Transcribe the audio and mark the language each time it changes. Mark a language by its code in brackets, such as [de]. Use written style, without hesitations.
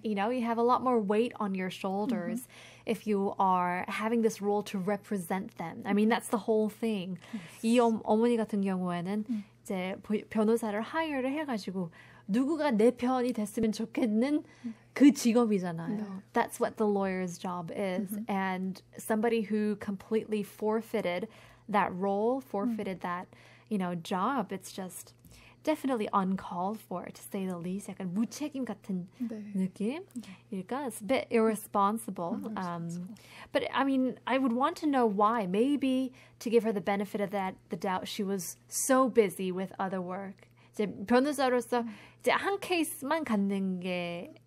[en] you know, you have a lot more weight on your shoulders. If you are having this role to represent them. I mean, that's the whole thing. Yes. [ko] 이 어머니 같은 경우에는 이제 변호사를 하이어를 해가지고 누구가 내 편이 됐으면 좋겠는 그 직업이잖아요. [en] No. That's what the lawyer's job is. Mm-hmm. And somebody who completely forfeited that role, forfeited that, you know, job, it's just definitely uncalled for, to say the least. [ko] 약간 무책임 같은 네. 느낌일까? [en] It's a bit irresponsible. Irresponsible. But, I mean, I would want to know why. Maybe to give her the benefit of that, the doubt, she was so busy with other work. [ko] 이제 변호사로서 이제 한 케이스만 갖는 게